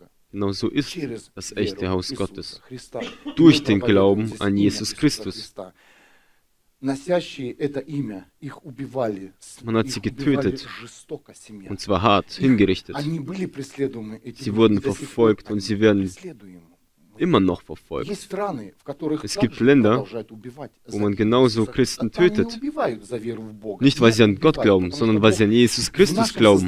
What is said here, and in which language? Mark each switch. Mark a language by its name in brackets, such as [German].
[German] Genau so ist das echte Haus Gottes. Durch den Glauben an Jesus Christus. [Russian] Носящие это имя, их убивали, [German] man hat sie getötet, [Russian] жестоко, [German] und zwar hart, hingerichtet. [Russian] Они были преследуемы, [German] sie wurden verfolgt und sie werden immer noch verfolgt. [Russian] Есть страны, в которых [German] es gibt Länder, wo man genauso Christen tötet, nicht weil sie an Gott glauben, sondern weil sie an Jesus Christus glauben.